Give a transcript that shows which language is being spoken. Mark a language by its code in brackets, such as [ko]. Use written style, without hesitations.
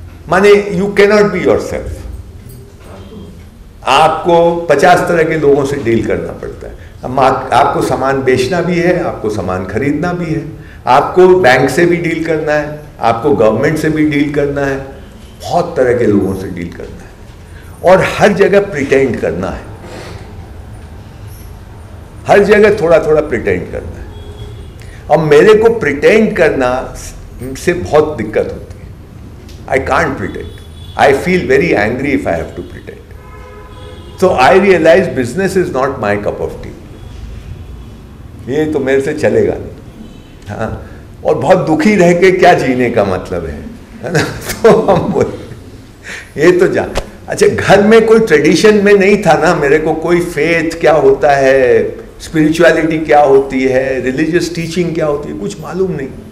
[hi] माने [en] you cannot be yourself [hi] आपको 50 तरह के लोगों से डील करना पड़ता है आपको सामान बेचना भी है आपको सामान खरीदना भी है आपको बैंक से भी डील करना है आपको गवर्नमेंट से भी डील करना है बहुत तरह के लोगों से डील करना है और हर जगह प्रिटेंड करना है हर जगह थोड़ा थोड़ा प्रिटेंड करना है अब मेरे को प्रिटेंड करना से बहुत दिक्कत होती है [en] I can't pretend. I feel very angry if I have to pretend. So I realize business is not my cup of tea. [hi] ये तो मेरे से चलेगा नहीं हाँ और बहुत दुखी रह के क्या जीने का मतलब है ना तो हम बोले ये तो जान अच्छा घर में कोई ट्रेडिशन में नहीं था ना मेरे को कोई फेथ क्या होता है स्पिरिचुअलिटी क्या होती है रिलीजियस टीचिंग क्या होती है कुछ मालूम नहीं